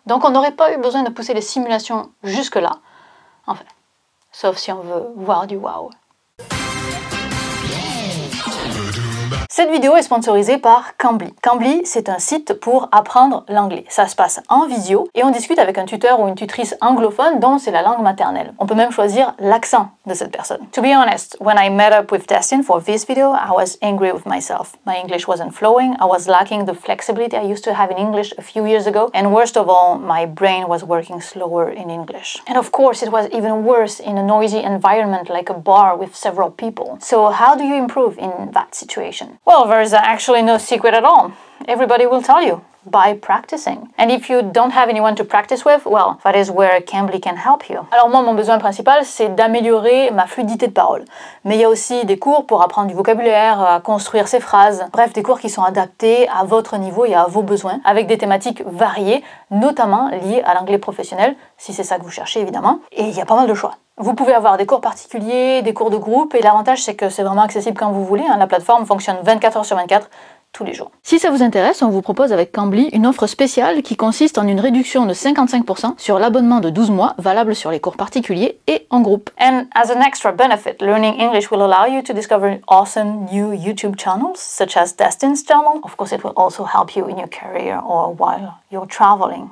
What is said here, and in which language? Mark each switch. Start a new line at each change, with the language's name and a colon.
French: Donc on n'aurait pas eu besoin de pousser les simulations jusque là, enfin, sauf si on veut voir du wow. Cette vidéo est sponsorisée par Cambly. Cambly, c'est un site pour apprendre l'anglais. Ça se passe en visio et on discute avec un tuteur ou une tutrice anglophone dont c'est la langue maternelle. On peut même choisir l'accent de cette personne.
English: To be honest, when I met up with Destin for this video, I was angry with myself. My English wasn't flowing, I was lacking the flexibility I used to have in English a few years ago, and worst of all, my brain was working slower in English. And of course, it was even worse in a noisy environment like a bar with several people. So how do you improve in that situation? Well, there is actually no secret at all. Everybody will tell you. by practicing. And if you don't have anyone to practice with, well, that is where Cambly can help you.
French: Alors moi, mon besoin principal, c'est d'améliorer ma fluidité de parole. Mais il y a aussi des cours pour apprendre du vocabulaire, à construire ses phrases. Bref, des cours qui sont adaptés à votre niveau et à vos besoins, avec des thématiques variées, notamment liées à l'anglais professionnel, si c'est ça que vous cherchez, évidemment. Et il y a pas mal de choix. Vous pouvez avoir des cours particuliers, des cours de groupe, et l'avantage, c'est que c'est vraiment accessible quand vous voulez. La plateforme fonctionne 24 heures sur 24, tous les jours. Si ça vous intéresse, on vous propose avec Cambly une offre spéciale qui consiste en une réduction de 55% sur l'abonnement de 12 mois valable sur les cours particuliers et en groupe.
English: And as an extra benefit, learning English will allow you to discover awesome new YouTube channels such as Destin's channel. Of course, it will also help you in your career or while you're traveling.